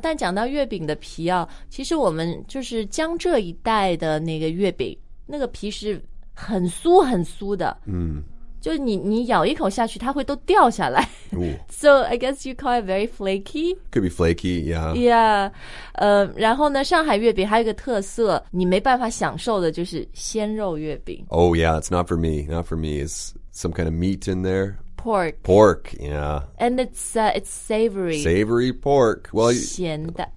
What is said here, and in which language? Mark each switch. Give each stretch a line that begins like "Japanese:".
Chinese: 但讲到月饼的皮啊，其实我们就是江浙一带的那个月饼，那个皮是很酥很酥的。就你咬一口下去，它会都掉下来。
English: So, I guess you call it very flaky? Could be flaky, yeah. Yeah. 然后呢，上海月饼还有一个特色，你没办法享受的就是鲜肉月饼。 Oh, yeah, it's not for me. Not for me. It's... Some kind of meat in there? Pork. Pork, yeah. And it's savory. Savory pork. Well,
Chinese: 咸的